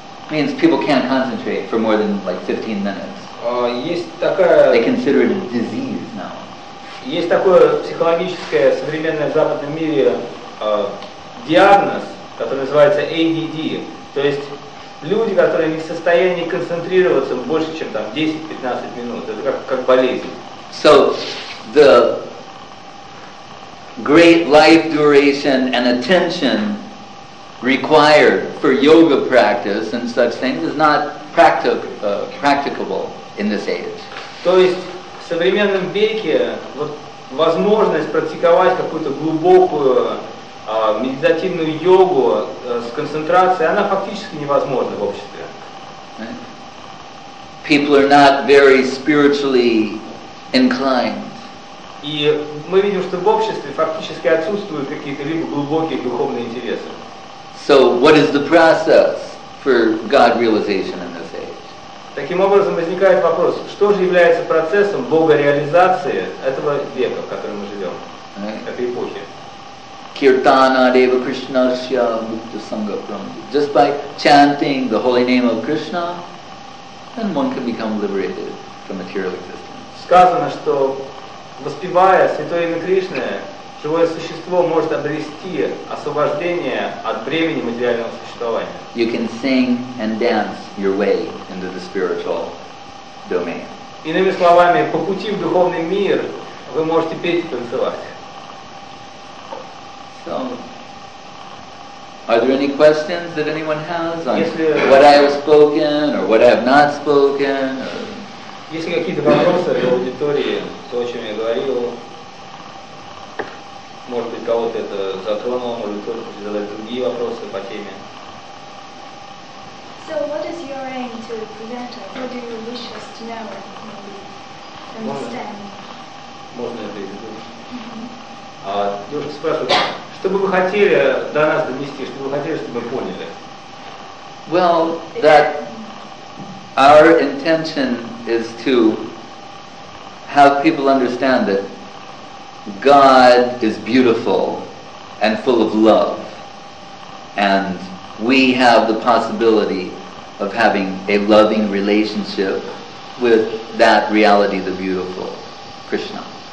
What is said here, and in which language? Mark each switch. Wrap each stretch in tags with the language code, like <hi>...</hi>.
<en>Means people can't concentrate for more than like 15 minutes. They consider it a disease now.</en> <ru>Есть такое психологическое в современном западном мире диагноз, который называется ADD. То есть люди, которые не в состоянии концентрироваться больше, чем там 10-15 минут, это как болезнь.</ru> <en>So the great life duration and attention required for yoga practice and such things is not practicable in this age.</en> <ru>То есть в современном веке вот возможность практиковать какую-то глубокую медитативную йогу с концентрацией, она фактически невозможна в обществе.</ru> <en>People are not very spiritually inclined.</en> <ru>И мы видим, что в обществе фактически отсутствуют какие-либо глубокие духовные интересы.</ru> <en>So, what is the process for God realization in this age?</en> <ru>Таким образом возникает вопрос, что же является процессом богореализации этого века, в котором мы живем, этой эпохи?</ru> <sa>Kirtana Deva Krishnasya Mukta Sangha Pramji.</sa> <en>Just by chanting the holy name of Krishna, then one can become liberated from material existence.</en> <ru>Сказано, что воспевая святое имя Кришны, живое существо может обрести освобождение от бремени материального существования.</ru> <en>You can sing and dance your way into the spiritual domain.</en> <ru>Иными словами, по пути в духовный мир вы можете петь и танцевать.</ru> <en>So, are there any questions that anyone has on what I have spoken or what I have not spoken?</en> <ru>Есть ли какие-то вопросы в аудитории? То, о чем я говорил, может быть, кого-то это затронуло, может быть, кто-то задает другие вопросы по теме.</ru> <en>So what is your aim to present? What do you wish us to know, maybe understand?</en> <ru>Можно я перейду? Mm-hmm. Девушка спрашивает, что бы вы хотели до нас донести, что бы вы хотели, чтобы мы поняли?</ru> <en>Well, that our intention is to have people understand that God is beautiful and full of love, and we have the possibility of having a loving relationship with that reality, the beautiful Krishna.</en>